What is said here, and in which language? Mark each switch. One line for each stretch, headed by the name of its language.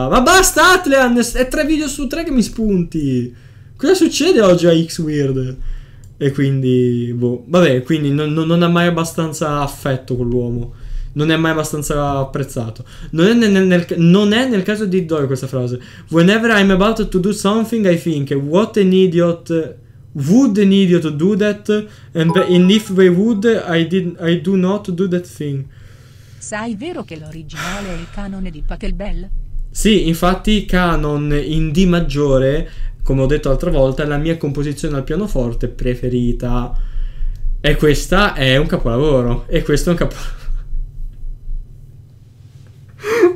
Italian: Ma basta Atlean, è 3 video su 3 che mi spunti. Cosa succede oggi a X-Weird? E quindi quindi non ha mai abbastanza affetto quell'uomo. Non è mai abbastanza apprezzato. Non è nel caso di Doyle questa frase.
English: Whenever I'm about to do something I think what an idiot would an idiot do that, and if they would I do not do that thing.
Italian: Sai vero che l'originale è il canone di Pachelbel? Sì, infatti canon in D maggiore come ho detto l'altra volta, la mia composizione al pianoforte preferita. E questa è un capolavoro. E questo è un capolavoro.